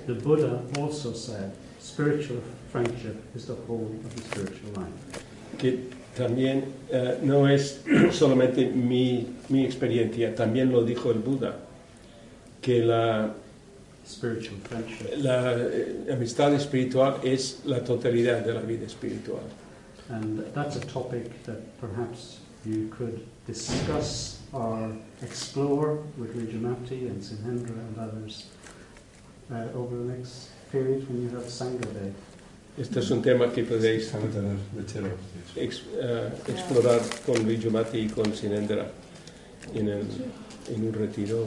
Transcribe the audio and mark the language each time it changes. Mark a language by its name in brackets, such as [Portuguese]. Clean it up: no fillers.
[English] The Buddha also said spiritual friendship is the whole of the spiritual life. [Spanish] Que también no es solamente mi experiencia, también lo dijo el Buda, que la [English] spiritual friendship, [Spanish] la amistad espiritual es la totalidad de la vida espiritual. [English] And that's a topic that perhaps you could discuss or explore with Rigamati and Sinhendra and others over the next period when you have Sangha Day. [Spanish] Este es un tema que podéis explorar con Luigi Mati y con Sinendra en un retiro.